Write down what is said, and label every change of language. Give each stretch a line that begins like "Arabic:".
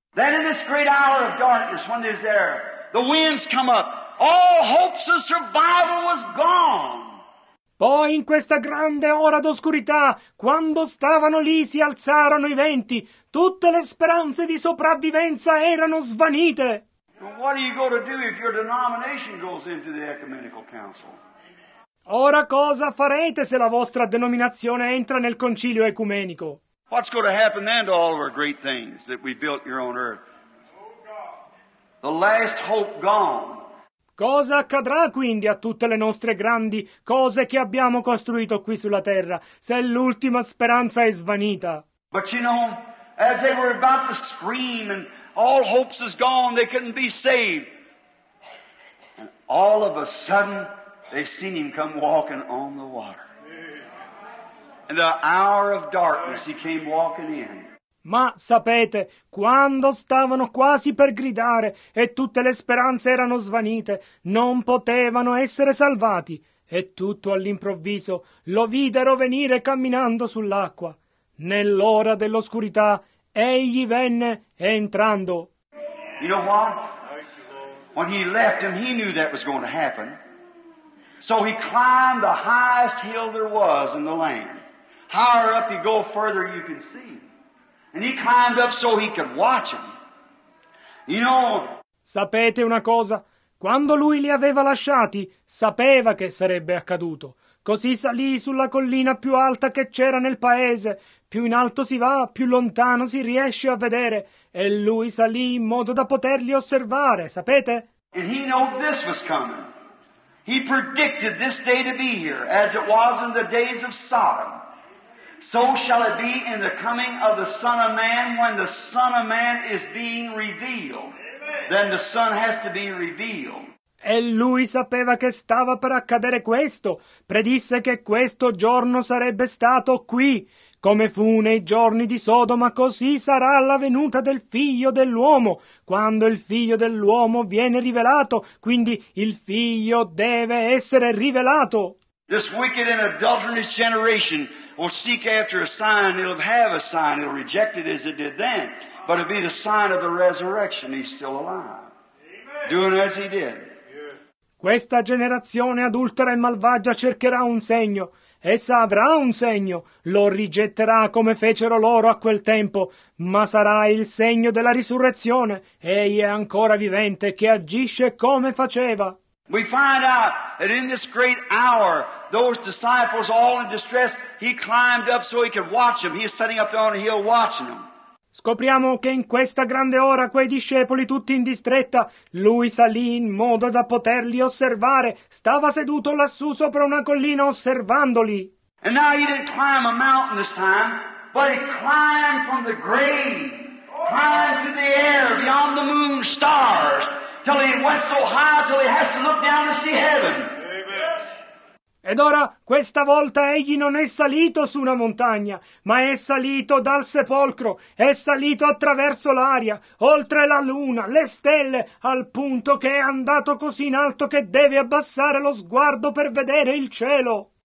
English: Then in this great hour of darkness, when there's air, the winds come up. All hopes of survival was gone.
Italian: Poi in questa grande ora d'oscurità, quando stavano lì, si alzarono i venti. Tutte le speranze di sopravvivenza erano svanite.
English: What are you going to do if your denomination goes into the ecumenical council?
Italian: Ora cosa farete se la vostra denominazione entra nel concilio ecumenico?
English: What's going to happen then to all of our great things that we built here on earth? The last hope gone.
Italian: Cosa accadrà quindi a tutte le nostre grandi cose che abbiamo costruito qui sulla terra, se l'ultima speranza è svanita?
English: But you know, as they were about to scream and all hopes is gone, they couldn't be saved. And all of a sudden, they seen him come walking on the water. In the hour of darkness, he came walking in.
Italian: Ma sapete, quando stavano quasi per gridare e tutte le speranze erano svanite, non potevano essere salvati. E tutto all'improvviso lo videro venire camminando sull'acqua. Nell'ora dell'oscurità, egli venne entrando.
English: You know what? When he left him, he knew that was going to happen. So he climbed the highest hill there was in the land. Higher up you go, further you can see. And he climbed up so he could watch him. You know.
Italian: Sapete una cosa? Quando lui li aveva lasciati, sapeva che sarebbe accaduto. Così salì sulla collina più alta che c'era nel paese. Più in alto si va, più lontano si riesce a vedere. E lui salì in modo da poterli osservare, sapete?
English: And he knew this was coming. He predicted this day to be here, as it was in the days of Sodom. So shall it be in the coming of the Son of Man, when the Son of Man is being revealed. Then the Son has to be revealed.
Italian: E lui sapeva che stava per accadere questo. Predisse che questo giorno sarebbe stato qui. Come fu nei giorni di Sodoma, così sarà la venuta del Figlio dell'Uomo. Quando il Figlio dell'Uomo viene rivelato, quindi il Figlio deve essere rivelato.
English: This wicked and adulterous generation will seek after a sign, it'll have a sign, it'll reject it as it did then, but it'll be the sign of the resurrection, he's still alive, doing as he did.
Italian: Questa generazione adultera e malvagia cercherà un segno, essa avrà un segno, lo rigetterà come fecero loro a quel tempo, ma sarà il segno della risurrezione, egli è ancora vivente, che agisce come faceva.
English: We find out that in this great hour, those disciples all in distress, he climbed up so he could watch them. He is sitting up on a hill watching them.
Italian: Scopriamo che in questa grande ora quei discepoli tutti in distretta, lui salì in modo da poterli osservare. Stava seduto lassù sopra una collina osservandoli.
English: And now he didn't climb a mountain this time, but he climbed from the grave, climbed to the air beyond the moon stars. Till he went so high till he has to look down to see heaven. Amen.
Italian: Ed ora, questa volta egli non è salito su una montagna, ma è salito dal sepolcro, è salito attraverso l'aria, oltre la luna, le stelle, al punto che è andato così in alto che deve abbassare lo sguardo per vedere il cielo.